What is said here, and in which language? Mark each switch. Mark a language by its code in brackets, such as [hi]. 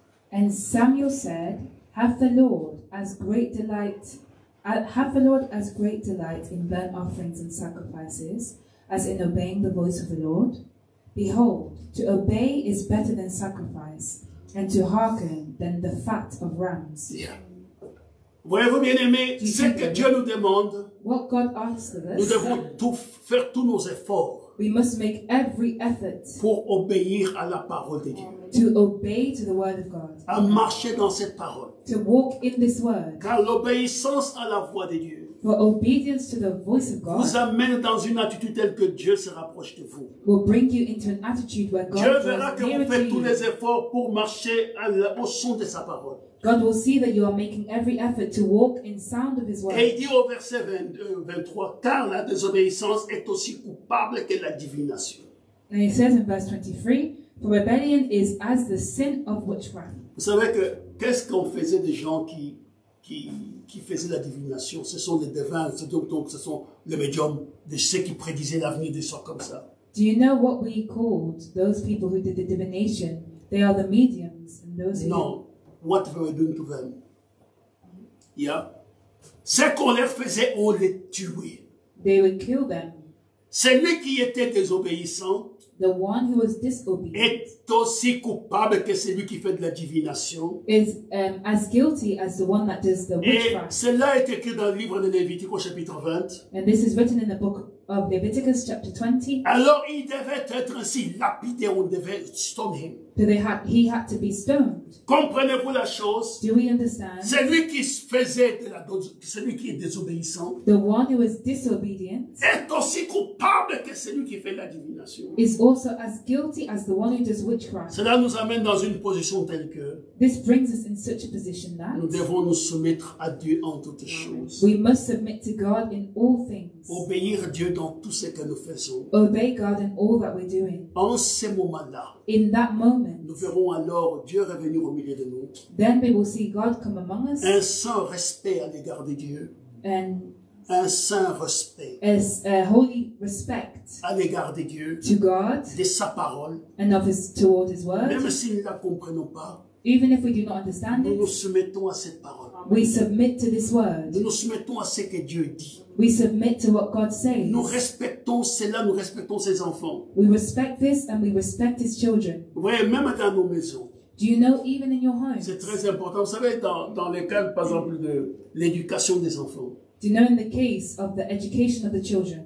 [en] And Samuel said, Have the Lord as great delight in burnt offerings and sacrifices as in obeying the voice of the Lord? Behold, to obey is better than sacrifice, and to hearken than the fat of rams. Yeah. [fr] Voyez-vous, bien-aimés, ce que Dieu nous demande, [en] what God asks of us, [fr] nous devons faire tous nos efforts. [en] We must make every effort [fr] pour obéir à la parole de Dieu. [en] To obey to the word of God. [fr] À marcher dans cette parole. [en] To walk in this word. [fr] Car l'obéissance à la voix de Dieu. [en] For obedience to the voice of God. [fr] Vous amène dans une attitude telle que Dieu se rapproche de vous. [en] Will bring you into an attitude where God [fr] Dieu verra que vous faites tous les efforts pour marcher au son de sa parole. [en] God will see that you are making every effort to walk in sound of his word. [fr] Et il dit au verset 23, car la désobéissance est aussi coupable que la divination. [en] And he says in verse 23, for rebellion is as the sin of witchcraft. [fr] Vous savez que, qu'est-ce qu'on faisait des gens qui qui faisaient la divination. Ce sont les devins, donc ce sont les médiums, les ceux qui prédisaient l'avenir des sorts comme ça. [en] Do you know what we called those people who did the divination? They are the mediums and those who... No. What were we doing to them? Yeah. [fr] Ce qu'on leur faisait, on les tuait. [en] They would kill them. [fr] Celui qui était désobéissant, [en] the one who was disobedient, [fr] est aussi coupable que celui qui fait de la divination. [en] Is as guilty as the one that does the witchcraft. [fr] Et cela est écrit dans le livre de Lévitique au chapitre 20. [en] And this is written in the book of Leviticus chapter 20. [fr] Alors il devait être ainsi lapidé, on devait [en] stone him. So he had to be stoned. [fr] Comprenez-vous la chose? [en] Do we understand? [fr] Celui qui faisait de la celui qui est désobéissant, [en] the one who is disobedient, [fr] est aussi coupable que celui qui fait la divination. [en] Is also as guilty as the one who does witchcraft. [fr] Cela nous amène dans une position telle que [en] this brings us in such a position that [fr] nous devons nous soumettre à Dieu en toutes choses. [en] We must submit to God in all things. [fr] Obéir Dieu dans tout ce que nous faisons. [en] Obey God in all that we're doing. [fr] En ce moment-là, [en] in that moment, [fr] nous verrons alors Dieu revenir au milieu de nous. [en] Then we will see God come among us. [fr] Un saint respect à l'égard de Dieu. [en] And [fr] un saint respect. [en] As a holy respect. [fr] À l'égard de Dieu. [en] To God. [fr] De sa parole. [en] And of his toward his word. [fr] Même si nous ne la comprenons pas. [en] Even if we do not understand [fr] nous [en] it. [fr] Nous soumettons à cette parole. [en] We submit to this word. [fr] Nous nous soumettons à ce que Dieu dit. [en] We submit to what God says. [fr] Nous respectons cela, nous respectons ses enfants. [en] We respect this and we respect his children. [fr] Ouais, même dans nos maisons. [en] Do you know even in your homes? [fr] C'est très important. Vous savez, dans les cas, par exemple, de l'éducation des enfants. [en] Do you know in the case of the education of the children?